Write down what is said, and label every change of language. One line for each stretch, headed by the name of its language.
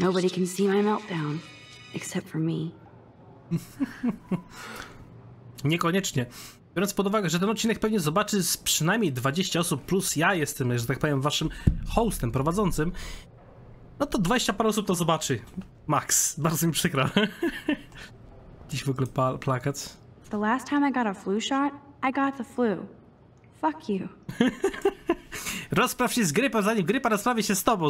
English: Nobody can see my meltdown, except for me.
Polish: Niekoniecznie. Biorąc pod uwagę, że ten odcinek pewnie zobaczy z przynajmniej 20 osób, plus ja jestem, że tak powiem, waszym hostem, prowadzącym, no to 20 par osób to zobaczy. Max, bardzo mi przykro. Dziś w ogóle plakat.
English: The last time I got a flu shot, I got the flu. Fuck you.
Polish: Rozpraw się z grypą, zanim grypa rozprawi się z tobą.